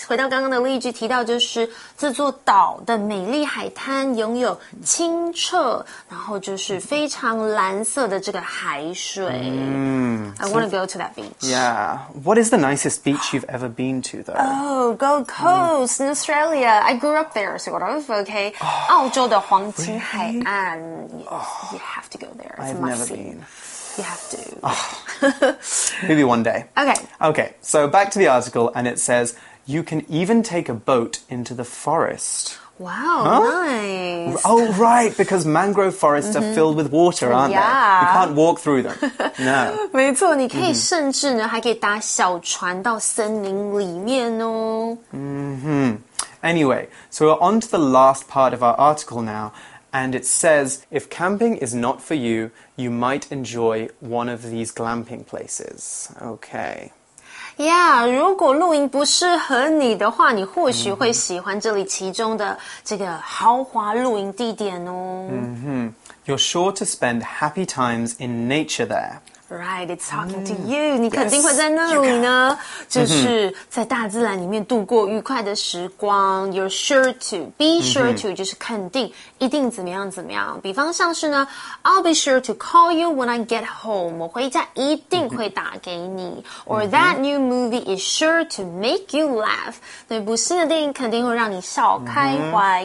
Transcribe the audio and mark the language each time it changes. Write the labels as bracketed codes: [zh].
[zh] 回到刚刚的例句提到就是。是这座岛的美丽海滩拥有清澈，然后就是非常蓝色的这个海水。 Mm, [en] I want to go to that beach. Yeah. What is the nicest beach you've ever been to, though? Oh, Gold Coast in Australia. I grew up there, sort of. Okay. [zh] 澳洲的黄金海岸。 [en] You have to go there. I've never been. You have to. Maybe one day. Okay. Okay. So back to the article, and it says... You can even take a boat into the forest. Wow,、huh? nice. Oh, right, because mangrove forests、mm-hmm. are filled with water, aren't、 yeah. they? You can't walk through them. No. [zh] 没错，你可以甚至呢、mm-hmm. 还可以搭小船到森林里面哦。 [en] Mm-hmm. Anyway, so we're on to the last part of our article now, And it says, if camping is not for you, you might enjoy one of these glamping places. Okay. [zh] Yeah, 如果露营不适合你的话，你或许会喜欢这里其中的这个豪华露营地点哦。 [en] Mm-hmm. You're sure to spend happy times in nature there. Right, it's talking to you. [zh] 你肯定会在那里呢，就是在大自然里面度过愉快的时光。 [en] You're sure to, be sure to, [zh] 就是肯定，一定怎么样怎么样。比方像是呢 [en] ，I'll be sure to call you when I get home. [zh] 我回家一定会打给你。 [en] Or that new movie is sure to make you laugh. [zh] 那部新的电影肯定会让你笑开怀。